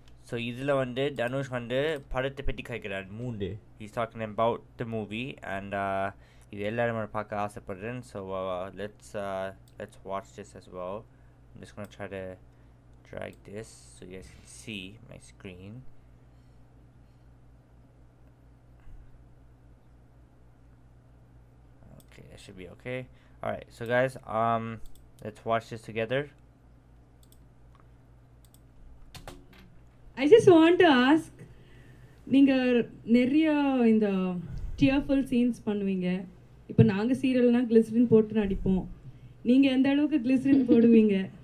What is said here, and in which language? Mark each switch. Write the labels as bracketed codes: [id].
[ta] So இதுல வந்து தனுஷ் வந்து படத்தை பத்தி கேக்குறான் மூணு. [en] He's talking about the movie and [ta] இது எல்லாரும் பார்க்க ஆசைப்படுறேன். [en] So let's watch this as well. I'm just gonna try to drag this so you guys can see my screen. Okay, that should be okay. Alright, so guys, let's watch this together. I just want to ask, [ta] நீங்க நிறைய இந்த [en] tearful scenes [ta] பண்ணுவீங்க. இப்ப நாங்க சீரியல்னா glycerin போட்டு நடிப்போம். நீங்க எந்த அளவுக்கு glycerin போடுவீங்க?